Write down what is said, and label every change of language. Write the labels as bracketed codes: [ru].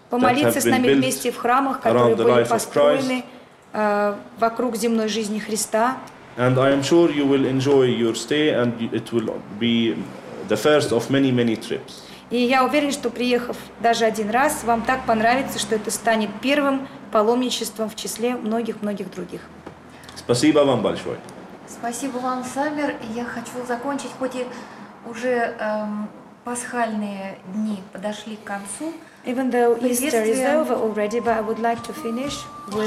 [ru] Помолиться с нами вместе в храмах, которые были построены вокруг земной жизни Христа. [en] And I am sure you will enjoy your stay, and it will be the first of many, many trips. [ru] И я уверен, что приехав даже один раз, вам так понравится, что это станет первым паломничеством в числе многих-многих других. Спасибо вам большое. Спасибо вам, Самир. Я хочу закончить, хоть и уже пасхальные дни подошли к концу. [en] Even though Easter is over already, but I would like to finish with